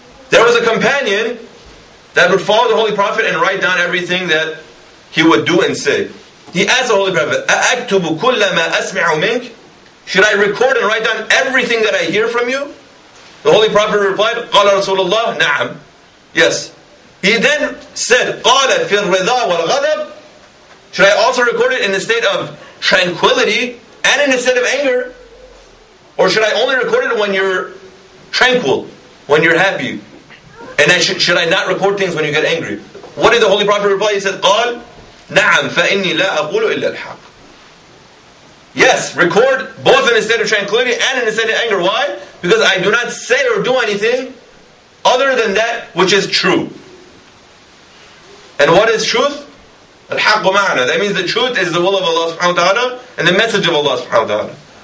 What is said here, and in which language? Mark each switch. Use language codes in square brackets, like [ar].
[en] There was a companion that would follow the Holy Prophet and write down everything that he would do and say. He asked the Holy Prophet, [ar] أَأَكْتُبُ كُلَّ مَا أَسْمِعُ مِنْكُ? [en] Should I record and write down everything that I hear from you? The Holy Prophet replied, [ar] قَالَ رَسُولُ اللَّهِ نَعَمْ. [en] Yes. He then said, [ar] قَالَ فِي الرِّضَى وَالْغَضَبْ. [en] Should I also record it in a state of tranquility and in a state of anger? Or should I only record it when you're tranquil, when you're happy? And I should I not record things when you get angry? What did the Holy Prophet reply? He said, [ar] قَالَ نَعَمْ فَإِنِّي لَا أَقُولُ إِلَّا الْحَقِّ. [en] Yes, record both in a state of tranquility and in a state of anger. Why? Because I do not say or do anything other than that which is true. And what is truth? [ar] الحق معنا. [en] That means the truth is the will of Allah subhanahu wa ta'ala and the message of Allah subhanahu wa ta'ala.